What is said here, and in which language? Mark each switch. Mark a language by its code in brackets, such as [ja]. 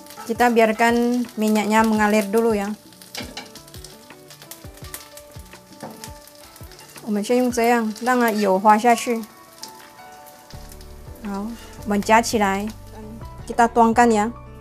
[id] Kita biarkan minyaknya mengalir dulu ya. [zh] 我们先用这样，让它油滑下去。好, 我们夹起来, [id] kita tuangkan ya.